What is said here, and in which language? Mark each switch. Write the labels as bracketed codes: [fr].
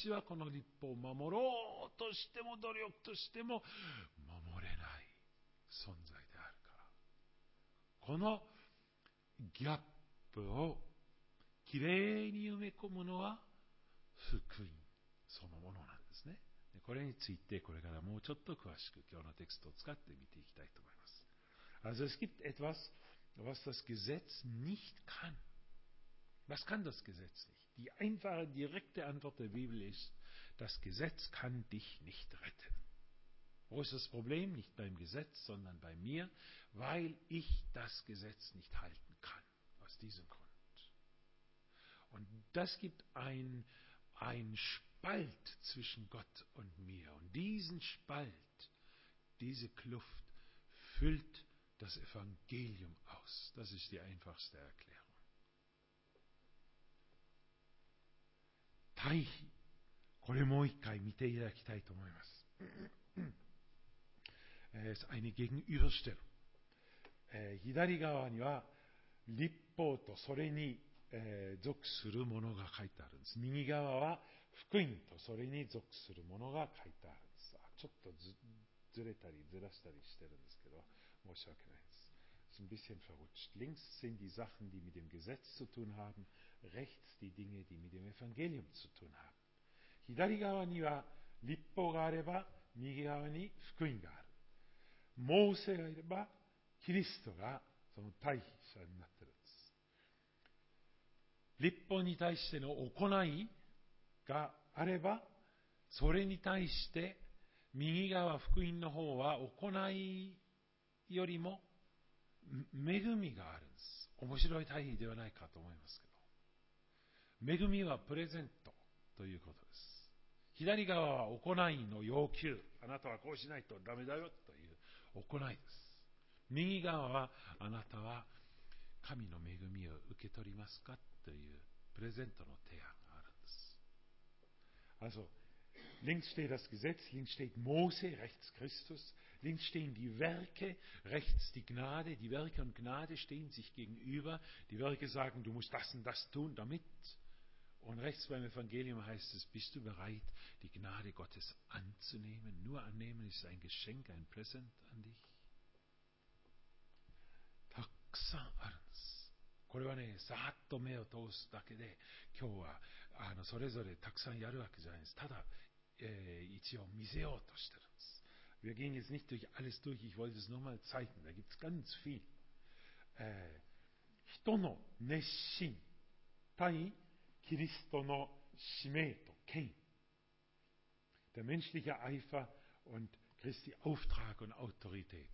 [ja] 私はこの立法を守ろうとしても努力としても守れない存在であるから。このギャップをきれいに埋め込むのは福音そのものなんですね。これについてこれからもうちょっと詳しく今日のテクストを使って見ていきたいと思います。 [de] Also es gibt etwas, was das Gesetz nicht kann. Was kann das Gesetz nicht? Die einfache, direkte Antwort der Bibel ist, das Gesetz kann dich nicht retten. Wo ist das Problem? Nicht beim Gesetz, sondern bei mir, weil ich das Gesetz nicht halten kann. Aus diesem Grund. Und das gibt ein Spalt zwischen Gott und mir. Und diesen Spalt, diese Kluft, füllt das Evangelium aus. Das ist die einfachste Erklärung. [ja] Taihi. これもう一回見ていただきたいと思います。 [de] Es ist eine Gegenüberstellung. [ja] 左側には立法とそれに属するものが書いてあるんです。右側は福音とそれに属するものが書いてあるんです。ちょっと ずれたりずらしたりしてるんですけど、申し訳ないです。 [de] Es ist ein bisschen verrutscht. Links sind die Sachen, die mit dem Gesetz zu tun haben, rechts die Dinge, die mit dem Evangelium zu tun haben. [ja] 左側には立法があれば、右側に福音がある。モーセがいれば、キリストがその対比者になっているんです。立法に対しての行いがあれば、それに対して右側福音の方は行いよりも恵みがあるんです。面白い対比ではないかと思いますけど。恵みはプレゼントということです。左側は行いの要求。あなたはこうしないとダメだよという行いです。右側はあなたは神の恵みを受け取りますかというプレゼントの提案があるんです。 [de] Also, links steht das Gesetz, links steht Mose, rechts Christus, links stehen die Werke, rechts die Gnade. Die Werke und Gnade stehen sich gegenüber. Die Werke sagen, du musst das und das tun, damit... Und rechts beim Evangelium heißt es, bist du bereit, die Gnade Gottes anzunehmen? Nur annehmen ist ein Geschenk, ein Präsent an dich. [ja] たくさんあるんです。これはね、さーっと目を通すだけで、今日はそれぞれたくさんやるわけじゃないです。ただ、一応見せようとしてるんです。 [de] Wir gehen jetzt nicht durch alles durch, ich wollte es nur mal zeigen. Da gibt es ganz viel. [ja] 人の熱心、対キリストの使命と権威。 [de] Der menschliche Eifer und Christi Auftrag und Autorität.